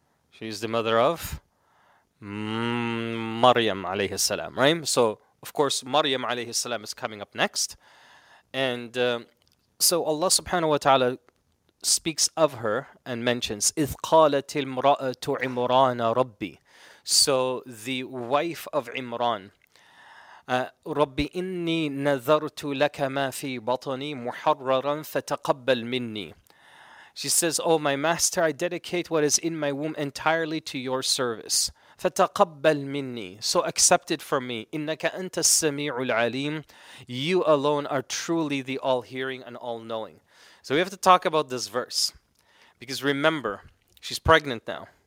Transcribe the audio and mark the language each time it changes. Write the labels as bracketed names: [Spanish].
[English] She is the mother of Maryam alayhi salam, right? So, of course, Maryam alayhi salam is coming up next. And so Allah subhanahu wa ta'ala speaks of her and mentions, [Arabic] إِذْ قَالَتِ الْمْرَأَةُ عِمْرَانَ رَبِّي. [English] So, the wife of Imran, [Arabic] رَبِّ إِنِّي نَذَرْتُ لَكَ مَا فِي بَطَنِي مُحَرَّرًا فَتَقَبَّلْ مِنِّي. [English] She says, oh, my master, I dedicate what is in my womb entirely to your service. [Arabic] فَتَقَبَّلْ مِنِّي. [English] So accept it from me. [Arabic] إِنَّكَ أَنْتَ السَّمِيعُ الْعَلِيمُ. [English] You alone are truly the all-hearing and all-knowing. So we have to talk about this verse. Because remember, she's pregnant now.